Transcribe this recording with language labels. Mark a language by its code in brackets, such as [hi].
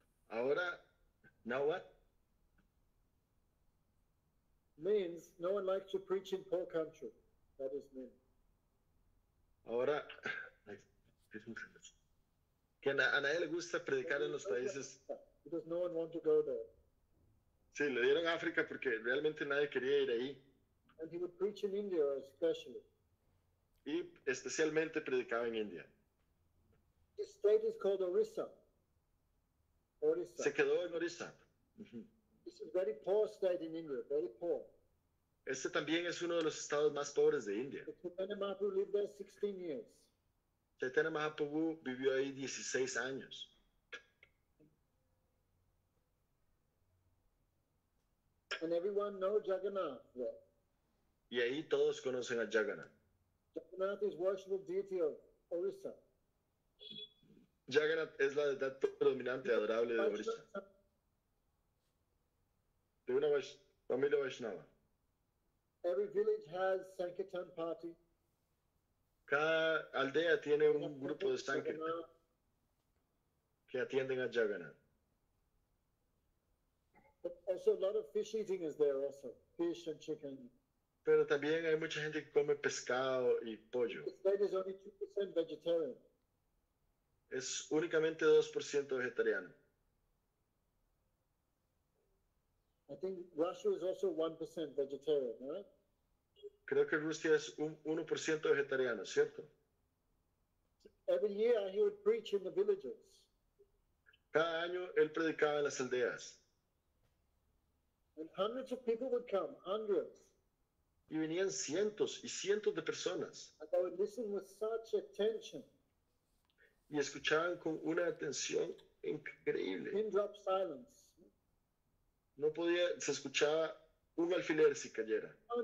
[es] Ahora, [en] now what? Means no one likes to preach in poor country. That is me. [es] Ahora, que a nadie le gusta predicar en los países. [en] Because no one wants to go there. [es] Sí, le dieron África porque realmente nadie quería ir ahí. [en] And he would preach in India especially. [es] Y especialmente predicaba en India. [en] The state is called Orissa. [es] Orissa. Se quedó en Orissa. [en] It's a very poor state in India, very poor. [es] Este también es uno de los estados más pobres de India. [en] Chaitanya Mahaprabhu lived there 16 years. [es] Chaitanya Mahaprabhu vivió ahí 16 años. [en] And everyone knows Jagannath there. [es] Y ahí todos conocen a Jagannath. [en] Jagannath is worshipful deity of Orissa. [es] Jagannath es la deidad predominante adorable de Orissa. De una familia Vaishnava. [en] Every village has Sankirtan party. [es] Cada aldea tiene un grupo de Sankirtan que atienden a Jagannath. [en] But also a lot of fish eating is there also. Fish and chicken. [es] Pero también hay mucha gente que come pescado y pollo. [en] The state is only 2% vegetarian. [es] Es únicamente 2% vegetariano. [en] I think Russia is also 1% vegetarian, right? [es] Creo que Rusia es un 1% vegetariano, ¿cierto? [en] Every year he would preach in the villages. [es] Cada año él predicaba en las aldeas. [en] And hundreds of people would come, hundreds. [es] Y venían cientos y cientos de personas. [en] And they would listen with such attention. [es] Y escuchaban con una atención increíble. [en] Pin drop silence. [es] No podía, se escuchaba un alfiler si cayera.